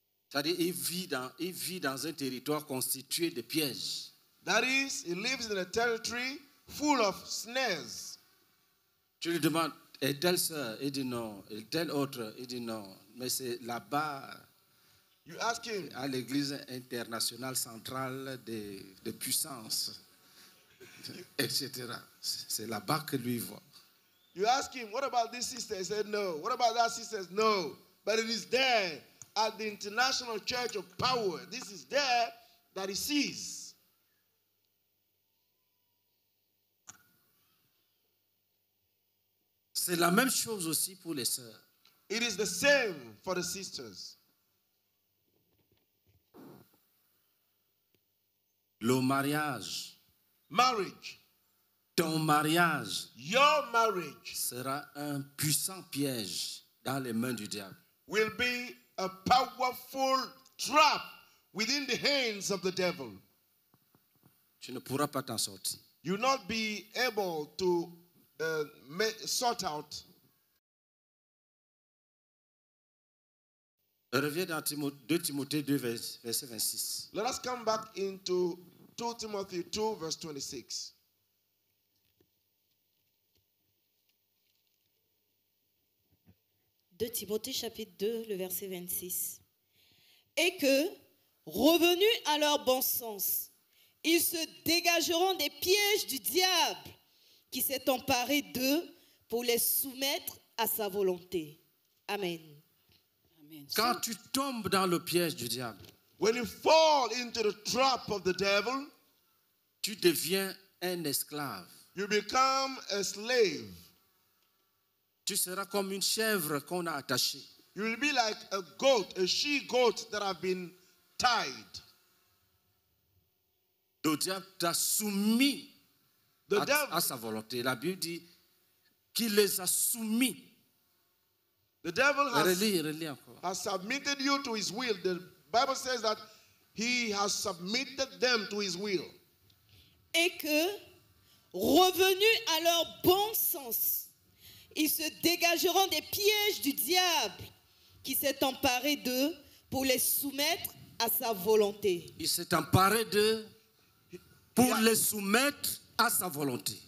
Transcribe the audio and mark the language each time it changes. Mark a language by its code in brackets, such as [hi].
[fr] C'est-à-dire, il vit dans un territoire constitué de pièges. [en] That is, he lives in a territory full of snares. [fr] Tu lui demandes, est telle sœur? Il dit non. Est telle autre? Il dit non. Mais c'est là-bas. [en] You ask him. [fr] À l'église internationale centrale de puissance, etc. C'est là-bas que lui voit. [en] You ask him, what about this sister? He said, no. What about that sister? No. But it is there at the International Church of Power. This is there that he sees. [fr] C'est la même chose aussi pour les sœurs. [en] It is the same for the sisters. [fr] Le mariage. [en] Marriage. [fr] Ton mariage, [en] your marriage, [fr] sera un puissant piège dans les mains du diable. [en] Will be a powerful trap within the hands of the devil. [fr] Tu ne pourras pas t'en sortir. [en] You will not be able to sort out. [fr] Reviens dans 2 Timothée 2, verset 26. [en] Let us come back into 2 Timothy 2, verse 26. [fr] De Timothée chapitre 2, le verset 26. Et que, revenus à leur bon sens, ils se dégageront des pièges du diable qui s'est emparé d'eux pour les soumettre à sa volonté. Amen. Amen. Quand tu tombes dans le piège du diable, [en] when you fall into the trap of the devil, [fr] tu deviens un esclave. [en] You become a slave. [fr] Tu seras comme une chèvre qu'on a attachée. [en] You will be like a goat, a she goat that have been tied. [fr] Le diable t'a soumis à sa volonté. La Bible dit qu'il les a soumis. [en] The devil has, [fr] relis encore. [en] Has submitted you to his will. The Bible says that he has submitted them to his will. [fr] Et que, revenus à leur bon sens, ils se dégageront des pièges du diable qui s'est emparé d'eux pour les soumettre à sa volonté. Il s'est emparé d'eux pour les soumettre à sa volonté.